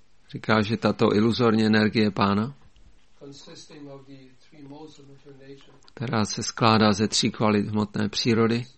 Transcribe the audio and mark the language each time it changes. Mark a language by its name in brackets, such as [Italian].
[Czech] Říká, že tato iluzorní energie Pána, [English] consisting of the three modes of material nature, [Czech] která se skládá ze tří kvalit hmotné přírody,